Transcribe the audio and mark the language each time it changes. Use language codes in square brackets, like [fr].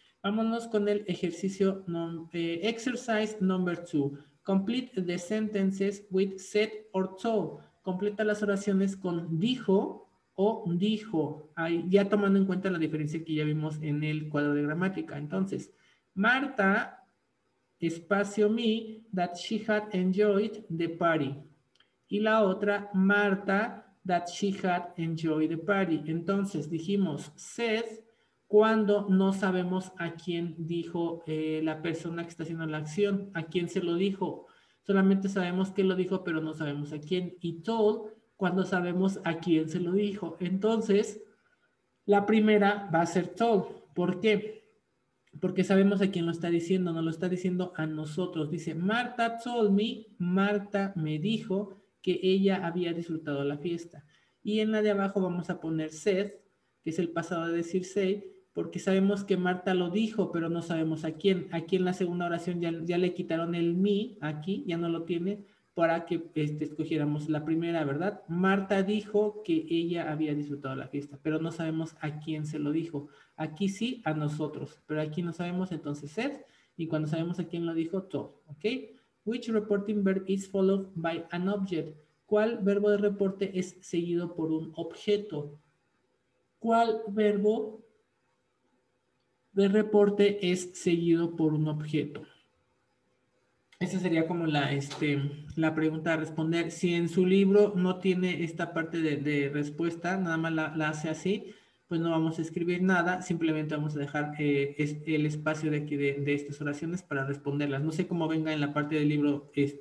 [es] Vámonos con el ejercicio, [en] exercise number 2. Complete the sentences with said or told. [es] Completa las oraciones con dijo o dijo. Ahí, ya tomando en cuenta la diferencia que ya vimos en el cuadro de gramática. [en] Entonces, Marta, espacio me, that she had enjoyed the party. [es] Y la otra, [en] Marta, that she had enjoyed the party. [es] Entonces, dijimos, said, cuando no sabemos a quién dijo la persona que está haciendo la acción, a quién se lo dijo. Solamente sabemos que lo dijo, pero no sabemos a quién. Y told, cuando sabemos a quién se lo dijo. Entonces, la primera va a ser told. ¿Por qué? Porque sabemos a quién lo está diciendo, no lo está diciendo a nosotros. Dice, [en] Marta told me, [es] Marta me dijo que ella había disfrutado la fiesta. Y en la de abajo vamos a poner said, que es el pasado de decir say, porque sabemos que Marta lo dijo, pero no sabemos a quién. Aquí en la segunda oración ya le quitaron el me, aquí ya no lo tiene, para que escogiéramos la primera, ¿verdad? Marta dijo que ella había disfrutado la fiesta, pero no sabemos a quién se lo dijo. Aquí sí, a nosotros, pero aquí no sabemos, entonces said, y cuando sabemos a quién lo dijo, told, ¿ok? [en] Which reporting verb is followed by an object? [es] ¿Cuál verbo de reporte es seguido por un objeto? ¿Cuál verbo de reporte es seguido por un objeto? Esa sería como la pregunta a responder. Si en su libro no tiene esta parte de respuesta, nada más la hace así, pues no vamos a escribir nada, simplemente vamos a dejar el espacio de aquí de estas oraciones para responderlas. No sé cómo venga en la parte del libro